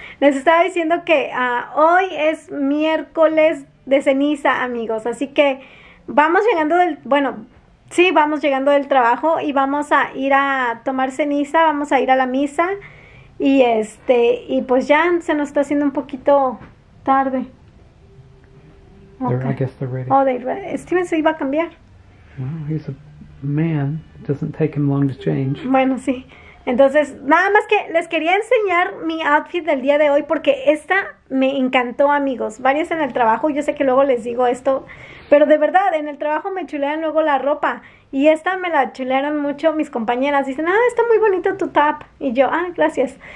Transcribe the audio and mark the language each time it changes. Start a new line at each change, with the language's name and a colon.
Spanish: Les estaba diciendo que hoy es miércoles de ceniza, amigos. Así que vamos llegando del... Bueno, sí, vamos llegando del trabajo y vamos a ir a tomar ceniza, vamos a ir a la misa. Y y pues ya se nos está haciendo un poquito tarde.
English: Okay. I guess they're ready.
Spanish: Oh, they're ready. Steven se iba a cambiar.
English: Well, he's a man. It doesn't take him long to change.
Spanish: Bueno, sí. Entonces, nada más que les quería enseñar mi outfit del día de hoy porque esta me encantó, amigos. Varias en el trabajo, yo sé que luego les digo esto, pero de verdad, en el trabajo me chulean luego la ropa. Y esta me la chulearon mucho mis compañeras. Dicen, ah, está muy bonito tu top. Y yo, ah, gracias.